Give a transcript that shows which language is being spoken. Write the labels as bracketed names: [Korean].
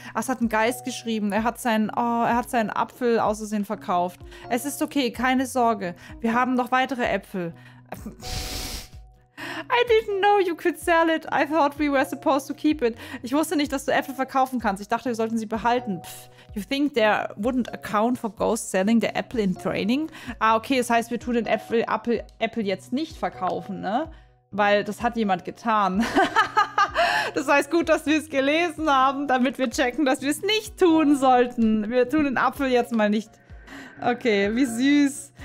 [German] Ach, es hat ein Geist geschrieben. Er hat seinen Apfel aus Versehen verkauft. Es ist okay, keine Sorge. Wir haben noch weitere Äpfel. [English] I didn't know you could sell it. I thought we were supposed to keep it. [German] Ich wusste nicht, dass du Äpfel verkaufen kannst. Ich dachte, wir sollten sie behalten. [English] Pff, you think there wouldn't account for ghost selling the apple in training? [German] Ah, okay, das heißt, wir tun den Apple jetzt nicht verkaufen, ne? Weil das hat jemand getan. Das heißt, gut, dass wir es gelesen haben, damit wir checken, dass wir es nicht tun sollten. Wir tun den Apfel jetzt mal nicht. Okay, wie süß.